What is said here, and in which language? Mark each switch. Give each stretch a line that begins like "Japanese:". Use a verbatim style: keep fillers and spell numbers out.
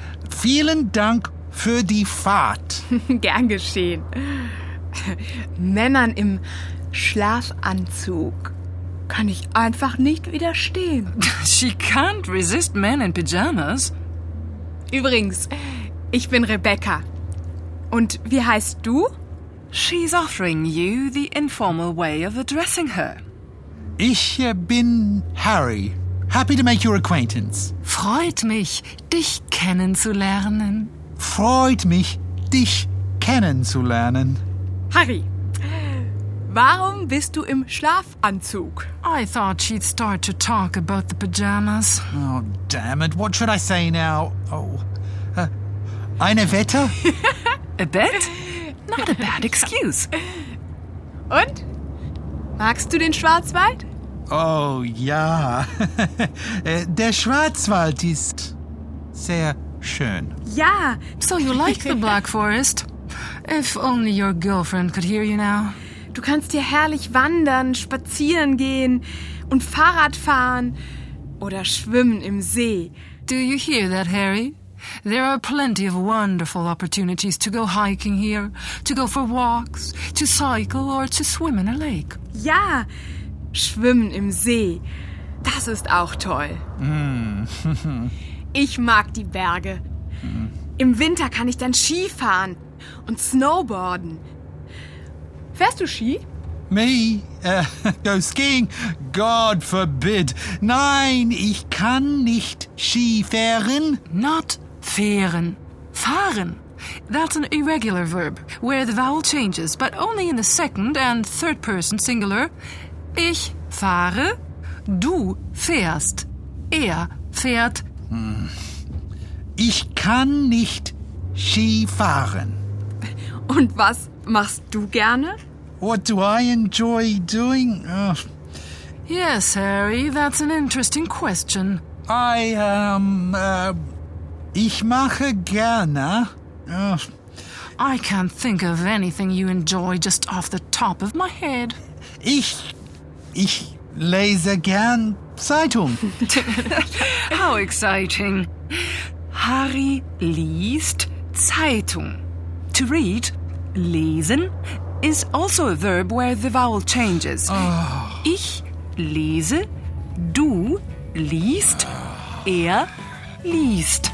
German: Vielen Dank für die Fahrt. Gern geschehen. Männern im Schlafanzug kann ich einfach nicht widerstehen.
English: She can't resist men in pajamas.
German: Übrigens, ich bin Rebecca. Und wie heißt du?
English: She's offering you the informal way of addressing her.
German: Ich bin Harry.
English: Happy to make your acquaintance.
German: Freut mich, dich kennenzulernen. Freut mich, dich kennenzulernen. Harry, warum bist du im Schlafanzug?
English: I thought she'd start to talk about the pajamas. Oh, damn it. What should I say now? Oh, uh,
German: eine Wette?
English: A bet? Not a bad excuse.
German: Und? Magst du den Schwarzwald? Oh ja, der Schwarzwald ist sehr schön. Ja,
English: so you like the Black Forest? If only your girlfriend could hear you now.
German: Du kannst hier herrlich wandern, spazieren gehen und Fahrrad fahren oder schwimmen im See.
English: Do you hear that, Harry? There are plenty of wonderful opportunities to go hiking here, to go for walks, to cycle or to swim in a lake.
German: Ja. Schwimmen im See, das ist auch toll. Mm. Ich mag die Berge. Mm. Im Winter kann ich dann Skifahren und Snowboarden. Fährst du Ski?
English: Me? Uh, go skiing? God forbid.
German: Nein, ich kann nicht Skifahren. Not fahren. Fahren.
English: That's an irregular verb, where the vowel changes, but only in the second and third person singular.
German: Ich fahre, du fährst, er fährt. Ich kann nicht Ski fahren. Und was machst du gerne?
English: What do I enjoy doing? Oh. Yes, Harry, that's an interesting question. I, um, uh,
German: ich mache gerne...
English: Oh. I can't think of anything you enjoy just off the top of my head.
German: Ich... Ich lese gern Zeitung.
English: How exciting.
German: Harry liest Zeitung.
English: To read, lesen, is also a verb where the vowel changes. Oh.
German: Ich lese, du liest, er liest.